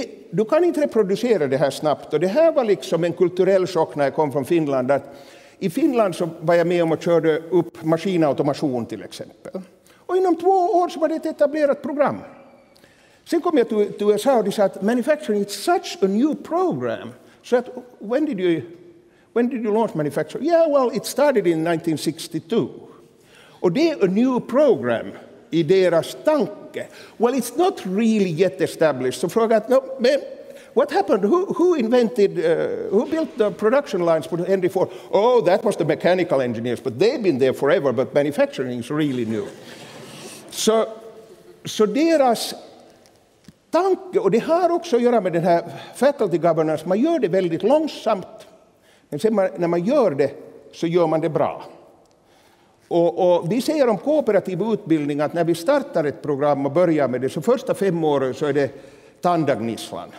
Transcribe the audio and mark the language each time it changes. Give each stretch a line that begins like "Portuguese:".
Swedish: du kan inte reproducera det här snabbt. Och det här var liksom en kulturell chock när jag kom från Finland. Att i Finland så var jag med om att köra upp maskinautomation till exempel. Och inom 2 år så var det ett etablerat program. Sen kom jag till USA och de sa att
English: manufacturing is such a new program. So that, when did you launch manufacturing? Yeah, well, it started in 1962.
Swedish: Och det är
English: a new program
Swedish: i deras tanke.
English: Well, it's not really yet established.
Swedish: Så frågade jag,
English: what happened? Who built the production lines for Henry Ford? Oh, that was the mechanical engineers, but they've been there forever, but manufacturing is really new.
Swedish: Så deras tanke, och det har också att göra med den här faculty governance, man gör det väldigt långsamt, men sen när man gör det så gör man det bra. Och vi säger om kooperativ utbildning att när vi startar ett program och börjar med det, så första 5 åren så är det tandagnisslan.